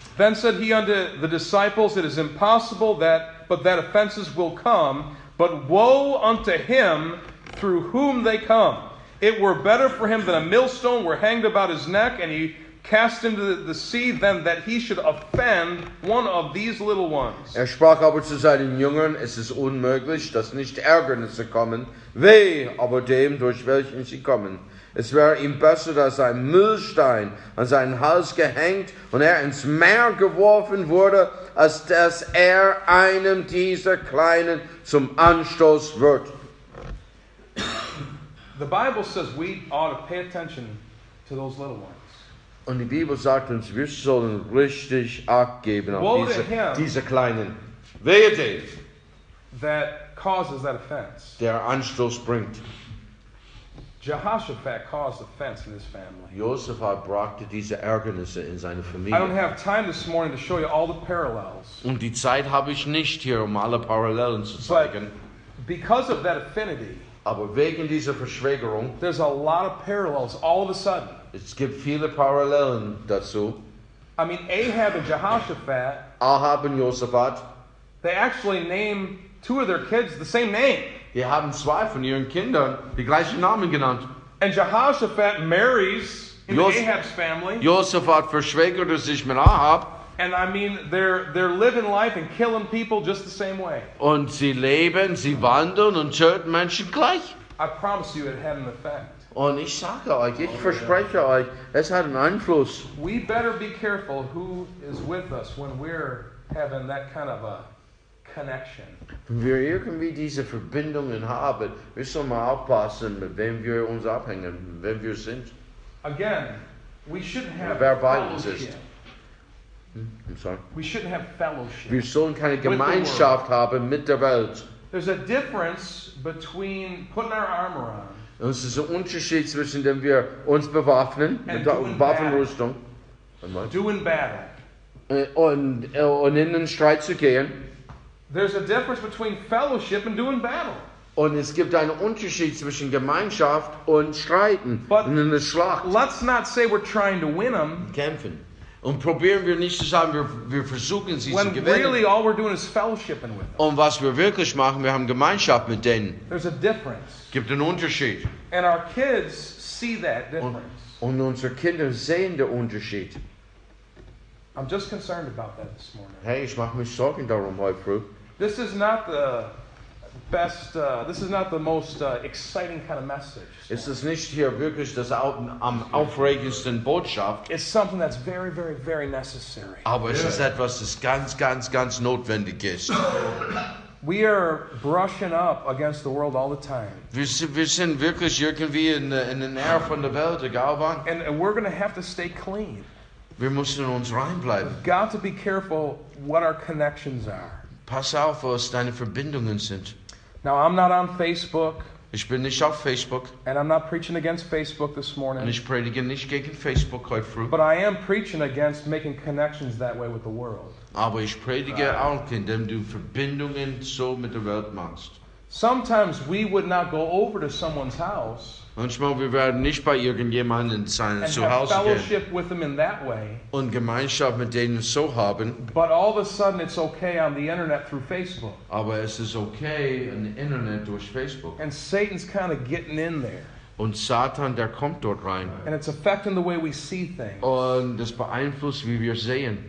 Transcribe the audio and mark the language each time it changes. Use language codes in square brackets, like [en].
[en] Then said he unto the disciples, it is impossible that offenses will come, but woe unto him through whom they come. It were better for him that a millstone were hanged about his neck and he cast into the sea than that he should offend one of these little ones. [de] Er sprach aber zu seinen Jüngern, es ist unmöglich, dass nicht Ärgernisse kommen. Weh aber dem, durch welchen sie kommen. Es wäre ihm besser, dass ein Mühlstein an seinen Hals gehängt und er ins Meer geworfen wurde, als dass er einem dieser Kleinen zum Anstoß wird. [en] The Bible says we ought to pay attention to those little ones. [de] Und die Bibel sagt uns, wir sollen richtig Acht geben auf diese kleinen. Wehe dem, [en] that causes that offense. [de] Der Anstoß bringt. [en] Jehoshaphat caused offense in his family. [de] Josaphat brachte diese Ärgernisse in seine Familie. [en] I don't have time this morning to show you all the parallels. [de] Und die Zeit habe ich nicht hier, um alle Parallelen zu zeigen. [en] Because of that affinity, [de] aber wegen dieser Verschwägerung, [en] there's a lot of parallels all of a sudden. [de] Es gibt viele Parallelen dazu. [en] I mean, Ahab and Jehoshaphat, [de] Ahab und Josaphat, [en] they actually name two of their kids the same name. [de] Die haben zwei von ihren Kindern die gleichen Namen genannt. [en] And Jehoshaphat marries Ahab's family. [de] Josaphat verschwägerte sich mit Ahab. [en] And I mean, they're living life and killing people just the same way. [de] Und sie leben, sie wandeln und töten Menschen gleich. [en] I promise you it had an effect. [de] Und ich sage euch, ich verspreche euch, es hat einen Einfluss. [en] We better be careful who is with us when we're having that kind of a connection. [de] Wenn wir irgendwie diese Verbindungen haben, wir sollen mal aufpassen, mit wem wir uns abhängen, mit wem wir sind. [en] Again, we shouldn't have fellowship. I'm sorry. We shouldn't have fellowship. [de] Wir sollen keine Gemeinschaft haben mit der Welt. [en] There's a difference between putting our armor on. [de] Es ist ein Unterschied zwischen dem wir uns bewaffnen [en] and [de] mit Waffenrüstung und in den Streit zu gehen. [en] There's a difference between fellowship and doing battle. [de] Und es gibt einen Unterschied zwischen Gemeinschaft und Streiten und in der Schlacht. [en] Let's not say we're trying to win them. [de] Kämpfen. Und probieren wir nicht zu sagen, wir versuchen sie [en] when [de] zu gewinnen. [en] Really all we're doing is fellowshipping with them. [de] Und was wir wirklich machen, wir haben Gemeinschaft mit denen. [en] There's a difference. [de] Gibt einen Unterschied. [en] And our kids see that difference. [de] Und unsere Kinder sehen den Unterschied. [en] I'm just concerned about that this morning. [de] Hey, ich mache mich Sorgen darum heute früh. [en] This is not the best, this is not the most exciting kind of message. [de] Es ist nicht hier wirklich das aufregendste Botschaft. [en] It's something that's very, very, very necessary. [de] Aber es ist etwas, das ganz, ganz, ganz notwendig ist. [en] We are brushing up against the world all the time. [de] Wir sind wirklich irgendwie in den Air von der Welt, egal wann. [en] And we're going to have to stay clean. [de] Wir müssen uns rein bleiben. [en] We've got to be careful what our connections are. [de] Pass auf, was deine Verbindungen sind. [en] Now, I'm not on Facebook. [de] Ich bin nicht auf Facebook. [en] And I'm not preaching against Facebook this morning. [de] Und ich predige nicht gegen Facebook heute früh. [en] But I am preaching against making connections that way with the world. [de] Aber ich predige auch, indem du Verbindungen so mit der Welt machst. [en] Sometimes we would not go over to someone's house. [de] Manchmal wir werden nicht bei irgendjemandem sein, zu Hause gehen. [en] And fellowship with them in that way. [de] Und Gemeinschaft mit denen so haben. [en] But all of a sudden it's okay on the internet through Facebook. [de] Aber es ist okay [en] on the internet [de] durch Facebook. [en] And Satan's kind of getting in there. [de] Und Satan, der kommt dort rein. [en] And it's affecting the way we see things. [de] Und das beeinflusst, wie wir sehen.